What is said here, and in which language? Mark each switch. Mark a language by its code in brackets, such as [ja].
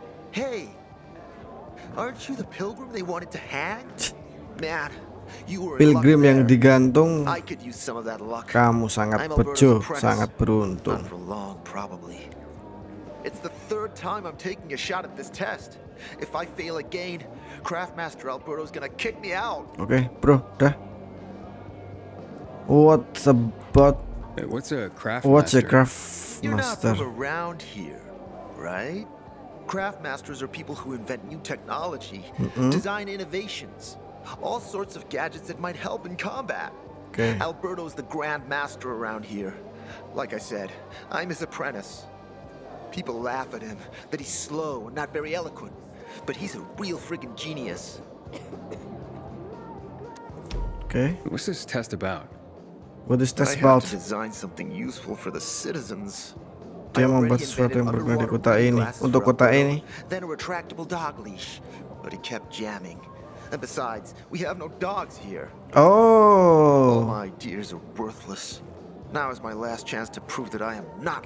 [en] Hey, aren't you the pilgrim they wanted to hang? Man, you were pilgrim there. [id] Yang digantung. [en] I could use some of that luck. [id] Kamu sangat bejo, sangat beruntung. [en] Not for long, probably. It's the third time I'm taking a shot at this test. If I fail again, Craftmaster Alberto's gonna kick me out. Okay, bro, dah. What's about? Hey, what's a craft? What's a craftmaster? You're not from around here, right? Craftmasters are people who invent new technology, design innovations, all sorts of gadgets that might help in combat. Okay. Alberto's the grand master around here. Like I said, I'm his apprentice. People laugh at him that he's slow and not very eloquent, but he's a real friggin' genius. Okay. What's this test about? What is this test about? I have to design something useful for the citizens. [id] Dia membuat sesuatu yang berguna di kota ini. Untuk kota ini. [en] Then a retractable dog leash, but it kept jamming. And besides, we have no dogs here. Oh. All my ideas are worthless. Now is my last chance to prove that I am not.